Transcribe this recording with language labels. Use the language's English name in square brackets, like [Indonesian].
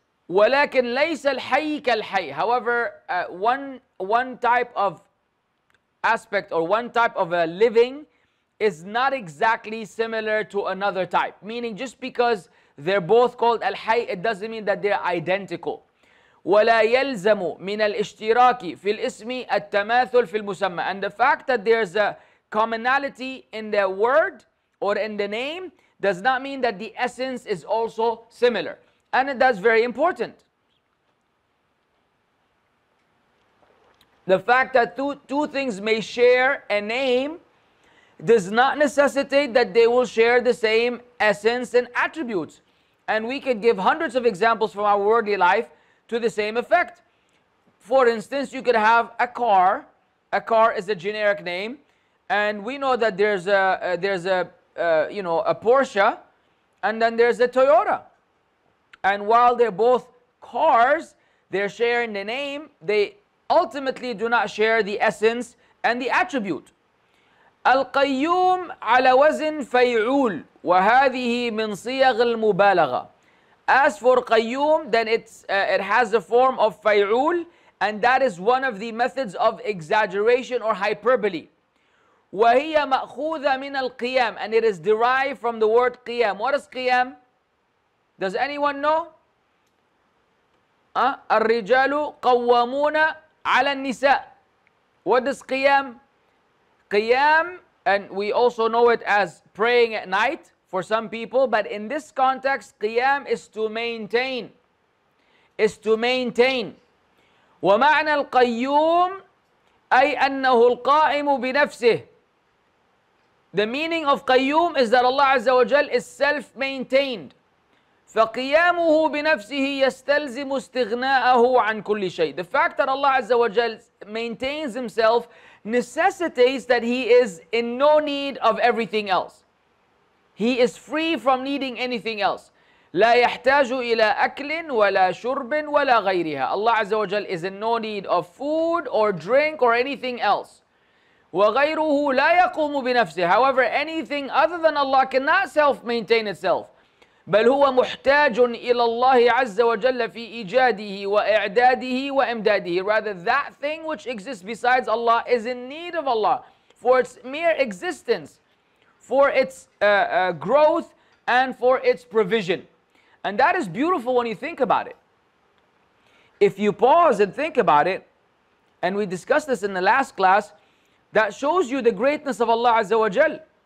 [Arabic] وَلَكِنْ لَيْسَ الْحَيْ كَالْحَيْ. [English] However, one type of aspect or one type of a living is not exactly similar to another type. Meaning, just because they're both called al-hayy, it doesn't mean that they're identical. [Arabic] ولا يلزم من الاشتراك في الاسم التماثل في المسمى. [English] And the fact that there's a commonality in the word or in the name does not mean that the essence is also similar. And that's very important. The fact that two things may share a name does not necessitate that they will share the same essence and attributes. And we could give hundreds of examples from our worldly life to the same effect. For instance, you could have a car. A car is a generic name. And we know that there's a Porsche, and then there's a Toyota. And while they're both cars, they're sharing the name, they ultimately do not share the essence and the attribute. [Arabic] القيوم على وزن فيعول وهذه من صيغ المبالغة. [English] As for قيوم, then it has a form of فيعول, and that is one of the methods of exaggeration or hyperbole. [Arabic] وهي مأخوذة من القيام, [English] and it is derived from the word قيام. What is قيام? Does anyone know? [Arabic] الرجال قوامون على النساء. [English] What is قيام? قيام, and we also know it as praying at night for some people, but in this context, قيام is to maintain. Is to maintain. [Arabic] ومعنى القيوم أي أنه القائم بنفسه. [English] The meaning of قيوم is that Allah Azza wa Jal is self-maintained. [Arabic] فقيامه بنفسه يستلزم استغناءه عن كل شيء. [English] The fact that Allah Azza wa Jal maintains himself necessitates that he is in no need of everything else. He is free from needing anything else. [Arabic] لا يحتاج إلى أكل ولا شرب ولا غيرها. [English] Allah Azza wa Jal is in no need of food or drink or anything else. [Arabic] وغيره لا يقوم بنفسه. [English] However, anything other than Allah cannot self-maintain itself. [Arabic] بل هو محتاج إلى الله عز وجل في إيجاده وإعداده وإمداده. [English] Rather, that thing which exists besides Allah is in need of Allah for its mere existence, for its growth, and for its provision. And that is beautiful when you think about it. If you pause and think about it, and we discussed this in the last class, that shows you the greatness of Allah Azza wa Jal.